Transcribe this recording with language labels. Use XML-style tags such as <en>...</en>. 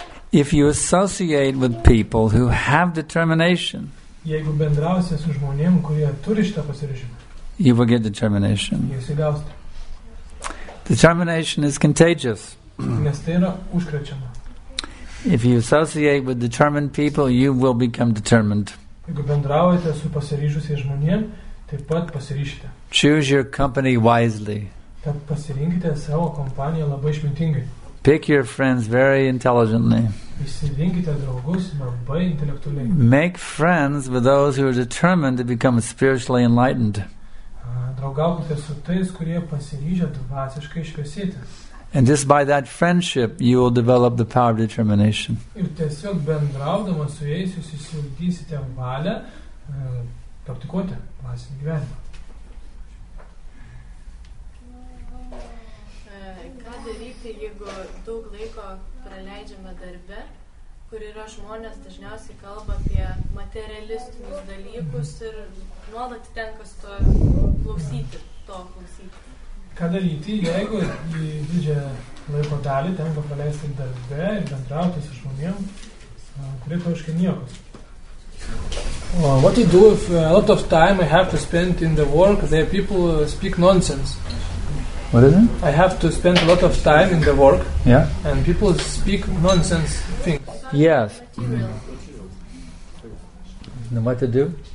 <en>If you associate with people who have determination,</en> <lt>jeigu bendrausi su žmonėm, kurie turi šitą pasiryžimą,</lt> <en>you will get determination. Determination is contagious.</en> <lt>Nes tai yra užkrečiama.</lt> <en>If you associate with determined people, you will become determined.</en> <lt>Jeigu bendraujate su pasiryžusiais žmonėm, taip pat pasiryšite.</lt> <en>Choose your company wisely.</en> <lt>Tad pasirinkite savo kompaniją labai išmintingai.</lt> <en>Pick your friends very intelligently.</en> <lt>Išsirinkite draugus labai intelektualiai.</lt> <en>Make friends with those who are determined to become spiritually enlightened.</en> <lt>Draugaukite su tais, kurie pasiryžę dvasiškai šviesėti.</lt> <en>And just by that friendship, you will develop the power of determination.</en> <lt>Ir tiesiog bendraudamas su jais, jūs išsiugdysite valią praktikuoti dvasinį gyvenimą. Ką daryti, jeigu daug laiko praleidžiame darbe, kur yra žmonės dažniausiai kalba apie materialistinius dalykus ir nuolat tenka su to klausyti? Ką daryti, jeigu į didžią laiko dalį tenka praleisti darbe ir bendrauti su žmonėm, kurie toškai niekos?</lt> <en>What do you do if a lot of time I have to spend in the work, there people speak nonsense? What is it? I have to spend a lot of time in the work. Yeah. And people speak nonsense things. Yes. Mm. What to do?</en>